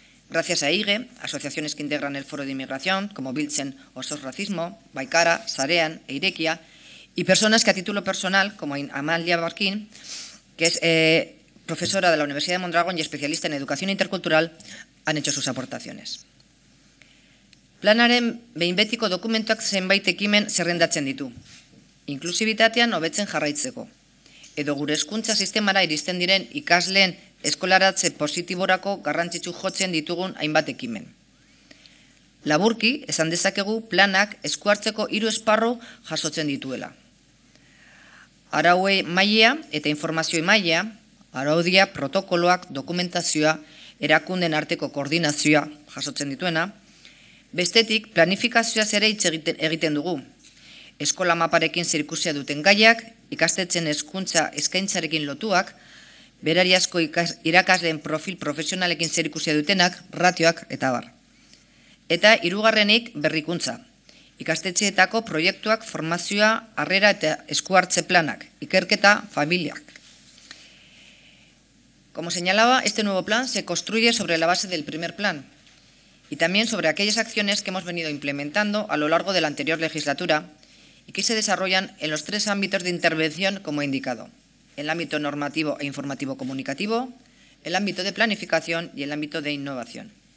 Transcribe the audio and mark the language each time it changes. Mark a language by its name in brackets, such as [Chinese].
[Spanish] Gracias a IGE, asociaciones que integran el Foro de Inmigración, como Biltzen o SOS Racismo, Baikara, Sarean e Irekia, y personas que a título personal, como Amalia Barquín, que es profesora de la Universidad de Mondragón y especialista en educación intercultural, han hecho sus aportaciones. [Basque] Planaren behin betiko dokumentuak zenbait ekimen zerrendatzen ditu. Inklusibitatean hobetzen jarraitzeko. Edo gure hezkuntza sistemara iristen diren ikasleen eskolaratze positiborako garrantzitsu jotzen ditugun hainbat ekimen. Laburki, esan dezakegu planak eskuartzeko hiru esparru jasotzen dituela. Arauei mailea eta informazio mailea, araudia, protokoloak, dokumentazioa, erakunden arteko koordinazioa jasotzen dituena. Bestetik, planifikazioaz ere hitz egiten dugu. Eskola maparekin zirikusia duten gaiak, ikastetzen hezkuntza eskaintzarekin lotuak, berariazko irakasleen profil profesionalekin zirikusia dutenak, ratioak eta bar. Eta hirugarrenik berrikuntza. Ikastetxeetako proiektuak, formazioa, harrera eta eskuartze planak, ikerketa, familiak. [Spanish] Como señalaba, este nuevo plan se construye sobre la base del primer plan y también sobre aquellas acciones que hemos venido implementando a lo largo de la anterior legislatura y que se desarrollan en los tres ámbitos de intervención, como he indicado, el ámbito normativo e informativo comunicativo, el ámbito de planificación y el ámbito de innovación.